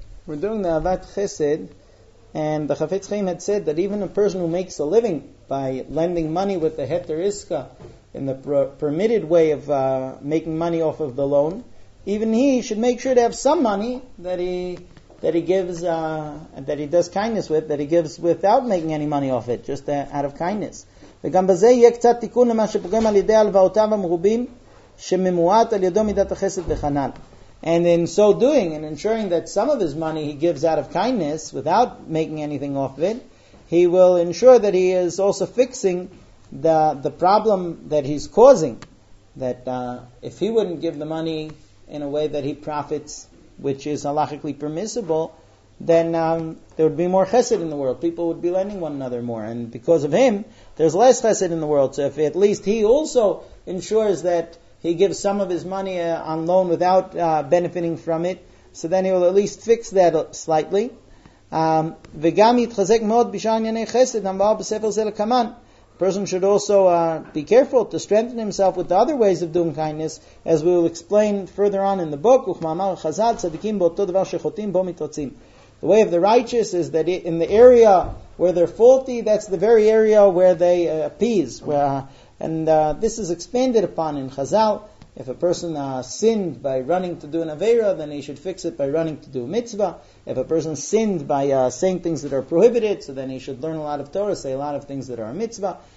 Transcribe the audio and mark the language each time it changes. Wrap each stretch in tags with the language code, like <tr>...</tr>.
<en>We're doing the Avat Chesed, and the Chafetz Chaim had said that even a person who makes a living by lending money with the Heter Iska, in the permitted way of making money off of the loan, even he should make sure to have some money that he does kindness with, that he gives without making any money off it, just out of kindness.</en> <he>וגם בזה יהיה קצת תיקון למה שפוגם על ידי הלוואותיו המרובים שממועט על ידו מידת החסד וחנן.</he> <en>And in so doing, and ensuring that some of his money he gives out of kindness without making anything off of it, he will ensure that he is also fixing the problem that he's causing. That if he wouldn't give the money in a way that he profits, which is halachically permissible, then there would be more chesed in the world. People would be lending one another more. And because of him, there's less chesed in the world. So if at least he also ensures that he gives some of his money on loan without benefiting from it, so then he will at least fix that slightly.</en> <he>וגם יתחזק מאוד בשאר ענייני חסד, אמר בספר זה לקמן.</he> <en>A person should also be careful to strengthen himself with the other ways of doing kindness, as we will explain further on in the book.</en> <he>וכמאמר חז"ל, צדיקים באותו דבר שחוטאים בו מתרצים.</he> <en>The way of the righteous is that in the area where they're faulty, that's the very area where they appease. This is expanded upon in Chazal. If a person sinned by running to do an Avera, then he should fix it by running to do a mitzvah. If a person sinned by saying things that are prohibited, so then he should learn a lot of Torah, say a lot of things that are a mitzvah.</en>